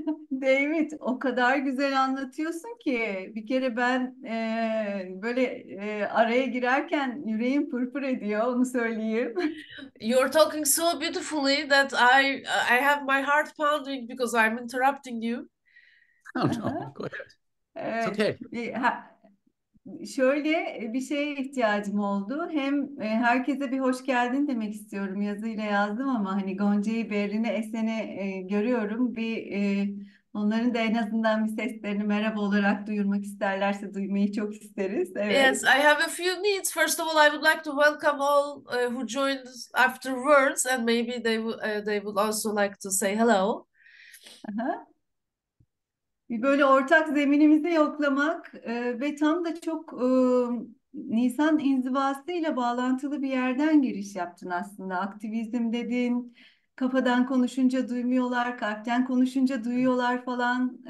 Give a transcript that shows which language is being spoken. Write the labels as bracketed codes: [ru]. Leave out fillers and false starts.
[tr] David, o kadar güzel anlatıyorsun ki bir kere ben böyle araya girerken yüreğim pırpır ediyor, onu söyleyeyim. [en] You're talking so beautifully that I have my heart pounding because I'm interrupting Oh, no, you. go ahead. It's [tr] Evet. [en] okay. [tr] Şöyle bir şeye ihtiyacım oldu. Hem herkese bir hoş geldin demek istiyorum. Yazıyla yazdım ama hani Gonca'yı, Berin'i, Esen'i görüyorum. Onların da en azından bir seslerini merhaba olarak duyurmak isterlerse duymayı çok isteriz. [en] Yes, [tr] Evet. [en] I have a few needs. First of all, I would like to welcome all who joined afterwards and maybe they would also like to say hello. [tr] Bir böyle ortak zeminimizi yoklamak ve tam da çok Nisan inzivasıyla bağlantılı bir yerden giriş yaptın aslında. Aktivizm dedin, kafadan konuşunca duymuyorlar, kalpten konuşunca duyuyorlar falan.